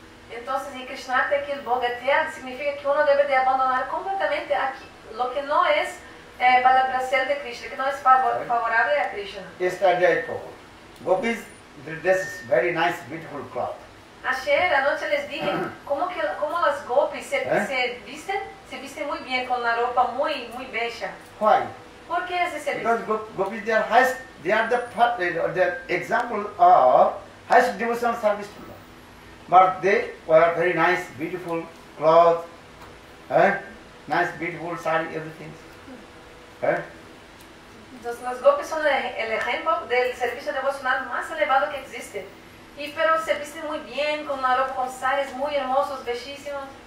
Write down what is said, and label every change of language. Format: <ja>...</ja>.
<es>Entonces, y Krishnarthe Akhil Bhagat Dhyan significa que uno debe de abandonar completamente aquí, lo que no es para el placer de Krishna, que no es favorable a Krishna. Esta idea es poco.</es> <en>Gopis, this is very nice, beautiful cloth.</en> <es>Ayer, anoche les dije, ¿cómo las gopis se visten muy bien, con la ropa muy, muy bella?</es> <en>Why?</en> <es>¿Por qué es ese?</es> <en>Because gopis, they are the example of highest devotional service to Lord. But they wear very nice, beautiful clothes, nice, beautiful sari, everything.</en> <es>Entonces, las gopis son el ejemplo del servicio devocional más elevado que existe. Y pero se visten muy bien, con una ropa con saris muy hermosos, bellísimos.</es>